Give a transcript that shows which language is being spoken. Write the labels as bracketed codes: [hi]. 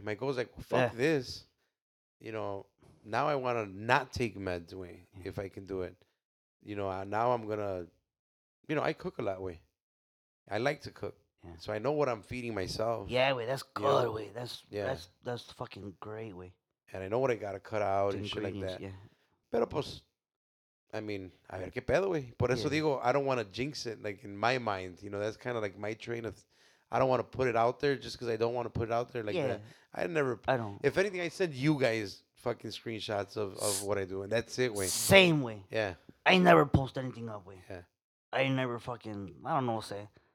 [en] My goal is like fuck this. You know, now I want to not take meds, way. Yeah. If I can do it, you know, now I'm gonna. You know, I cook a lot, way. I like to cook. Yeah. So I know what I'm feeding myself. Yeah, wait, that's good, yeah. That's, yeah. That's fucking great, way. And I know what I got to cut out the and shit like that. Yeah. [es] Pero pues, [en] I mean, [es] a ver qué pedo, güey. Por eso digo, [en] I don't want to jinx it, like, in my mind. You know, that's kind of like my train of, I don't want to put it out there just because I don't want to put it out there like that. I never, I don't. If anything, I send you guys fucking screenshots of what I do. And that's it, way. Same way. Yeah. I never post anything up, way. Yeah. I never fucking, I don't know what to say.